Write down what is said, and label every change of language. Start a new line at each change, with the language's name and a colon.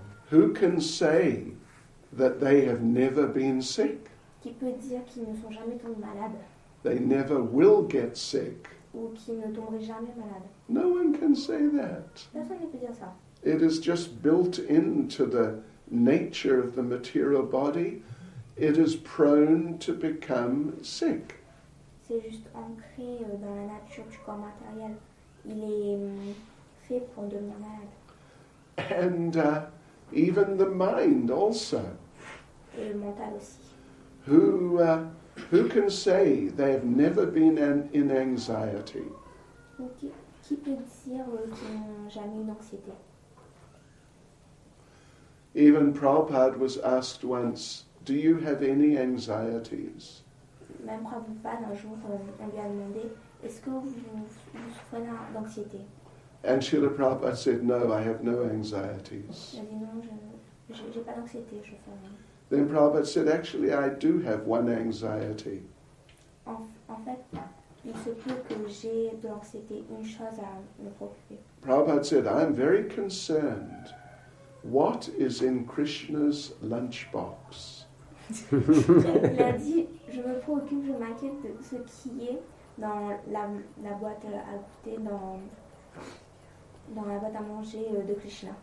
English: Who can say that they have never been sick?
French: Qui peut dire qu'ils ne sont jamais tombés malades?
English: They never will get sick.
French: Ou qu'ils ne tomberaient jamais malades.
English: No one can say that.
French: Personne ne peut dire ça.
English: It is just built into the nature of the material body. It is prone to become sick.
French: C'est juste ancré dans la nature du corps matériel. Il est fait pour devenir malade.
English: And even the mind also.
French: Et le mental aussi.
English: Who can say they have never been in anxiety?
French: Qui peut dire qu'ils n'ont jamais eu d'anxiété?
English: Even Prabhupada was asked once, "Do you have any anxieties?"
French: Même Prabhupada un jour on lui a demandé, "Est-ce que vous souffrez d'anxiété?"
English: And Srila Prabhupada said, "No, I have no anxieties."
French: Il a dit non, j'ai pas d'anxiété, je fais rien.
English: Then Prabhupada said, "Actually, I do have one anxiety."
French: En fait, il se peut que j'ai de l'anxiété, une chose à me préoccuper.
English: Prabhupada said, "I am very concerned. What is in Krishna's lunchbox?"
French: Il a dit, "Je me préoccupe, je m'inquiète de ce qui est dans la boîte à goûter dans la boîte à manger de Krishna."